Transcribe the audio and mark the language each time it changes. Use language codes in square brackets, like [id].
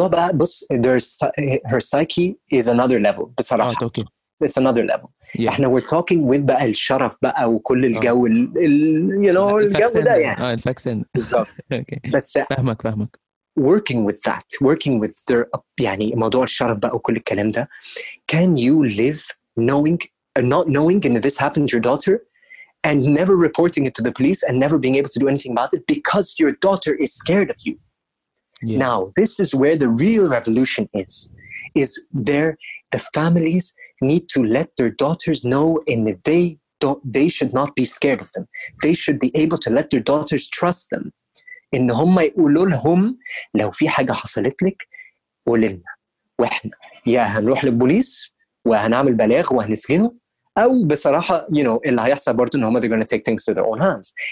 [en] Her psyche is another level. It's another level. Yeah. [ar] احنا [en] we're talking with [ar] بقى الشرف بقى وكل الجو الجو ده يعني. الفاكسين. بالظبط. اوكي. فاهمك. [en] working with that, working with their [ar] يعني موضوع الشرف بقى وكل الكلام ده, [en] can you live knowing and not knowing that this happened to your daughter and never reporting it to the police and never being able to do anything about it because your daughter is scared of you? Yeah. Now, this is where the real revolution is. Is there, the families need to let their daughters know and they should not be scared of them. They should be able to let their daughters trust them. [ar] إن هم يقولوا لهم لو في حاجة حصلت لك قولنا وإحنا يا هنروح للبوليس وهنعمل بلاغ وهنسجنه أو بصراحة [en] you know [ar] اللي هيحصل برضو إن هم [en] they're gonna take things to their own hands.